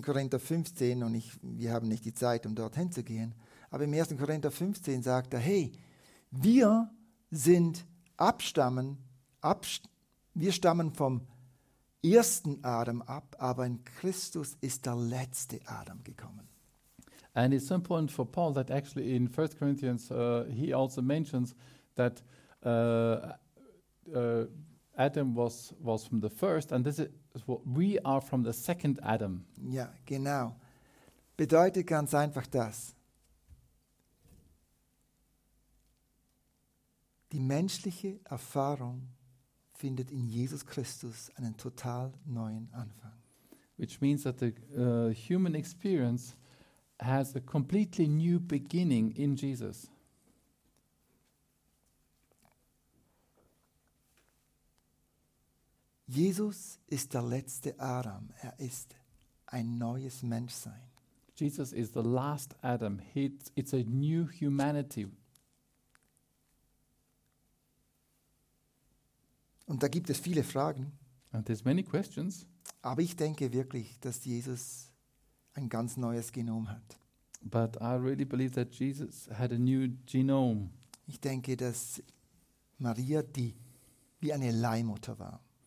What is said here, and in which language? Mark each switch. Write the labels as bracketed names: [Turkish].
[German] Korinther 15, und wir haben nicht die Zeit, um dorthin zu gehen, aber im 1. Korinther 15 sagt er, hey, wir sind wir stammen vom ersten Adam ab, aber in Christus ist der letzte Adam gekommen. [English] And it's so important for Paul that actually in 1 Corinthians he also mentions that Adam was from the first, and this is what we are from the second Adam. [German] Ja, genau. Bedeutet ganz einfach das. Die menschliche Erfahrung findet in Jesus Christus einen total neuen Anfang. [English] Which means that the human experience has a completely new beginning in Jesus. [German] Jesus ist der letzte Adam. Er ist ein neues Menschsein. [English] Jesus is the last Adam. It's a new humanity. [German] Und da gibt es viele Fragen. [English] And there's many questions. [German] Aber ich denke wirklich, dass Jesus ein ganz neues Genom hat. [English] But I really believe that Jesus had a new genome. [German] Ich denke, dass Maria, die wie eine Leihmutter war.